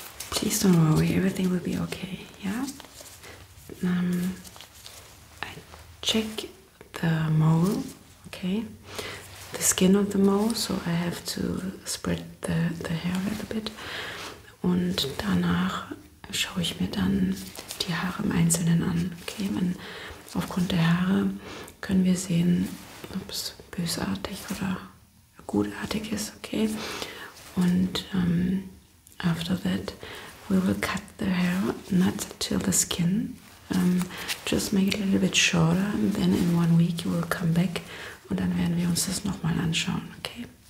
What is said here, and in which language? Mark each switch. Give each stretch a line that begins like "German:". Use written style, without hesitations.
English: Please don't worry, everything will be okay, yeah? I check the mole, okay? The skin of the mole, so I have to spread the hair a little bit.
German: Und danach schaue ich mir dann die Haare im Einzelnen an, okay? Und aufgrund der Haare können wir sehen, ob es bösartig oder gutartig ist, okay? Und
English: after that, we will cut the hair, not till the skin. Just make it a little bit shorter, and then in 1 week you will come back.
German: Und dann werden wir uns das nochmal anschauen, okay?